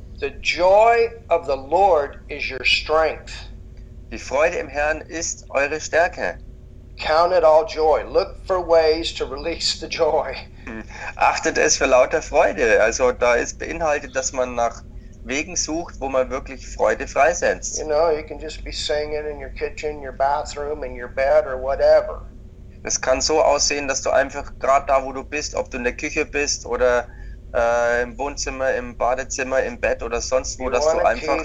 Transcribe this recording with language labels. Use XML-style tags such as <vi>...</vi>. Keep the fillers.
<en>The joy of the Lord is your strength.</en> <de>Die Freude im Herrn ist eure Stärke.</de> <en>Count it all joy. Look for ways to release the joy.</en> <de>Achtet es für lauter Freude. Also da ist beinhaltet, dass man nach Wegen sucht, wo man wirklich Freude freisetzt.</de> <en>You know, you can just be singing in your kitchen, in your bathroom, in your bed or whatever.</en> <de>Es kann so aussehen, dass du einfach gerade da, wo du bist, ob du in der Küche bist oder im Wohnzimmer, im Badezimmer, im Bett oder sonst wo, dass du einfach</de>